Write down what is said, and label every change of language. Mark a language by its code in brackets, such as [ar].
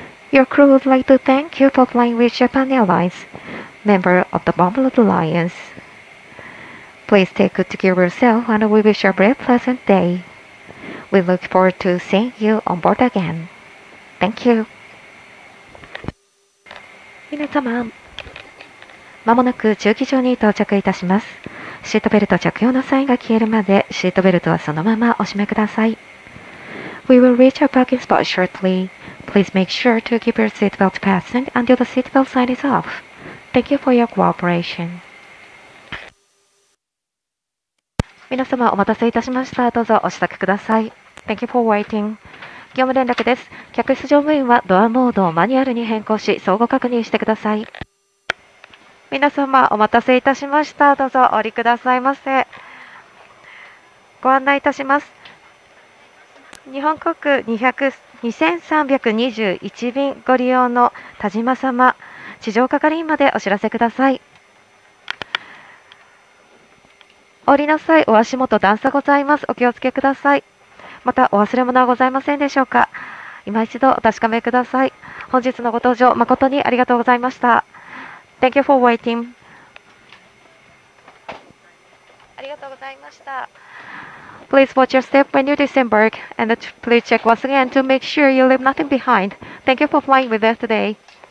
[en] Your crew would like to thank you for flying with Japan Airlines, member of the Bumblebee Alliance. Please take good care of yourself and we wish you a very pleasant day. We look forward to seeing you on board again. Thank you. [ja] 皆様、まもなく駐機場に到着いたします。シートベルト着用のサインが消えるまでシートベルトはそのままお締めください。 [en] We will reach our parking spot shortly. Please make sure to keep your seatbelt fastened until the seatbelt sign is off. Thank you for your cooperation. [ja] 皆様お待たせいたしました。どうぞお支度ください。 [en] Thank you for waiting. [ja] 業務連絡です。客室乗務員はドアモードをマニュアルに変更し、相互確認してください。皆様、お待たせいたしました。どうぞお降りくださいませ。ご案内いたします。日本航空2321便ご利用の田島様、地上係員までお知らせください。降りなさい。お足元段差ございます。お気をつけください。またお忘れ物はございませんでしょうか。今一度お確かめください。本日のご搭乗誠にありがとうございました。 [en] Thank you for waiting. [ja] ありがとうございました。 [en] Please watch your step when you disembark and please check once again to make sure you leave nothing behind. Thank you for flying with us today.